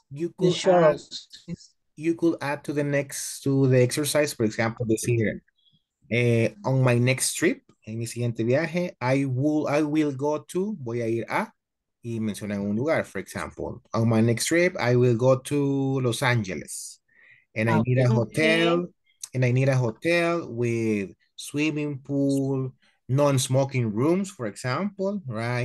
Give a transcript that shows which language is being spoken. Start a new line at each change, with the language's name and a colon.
English: You could, the you could add to the next, to the exercise, for example, this here. On my next trip,
Spanish: en mi siguiente viaje,
English: I will go to,
Spanish: voy a ir a, y mencionan un lugar,
English: for example. On my next trip, I will go to Los Angeles. And I need a hotel, and I need a hotel with swimming pool, non-smoking rooms, for example, right?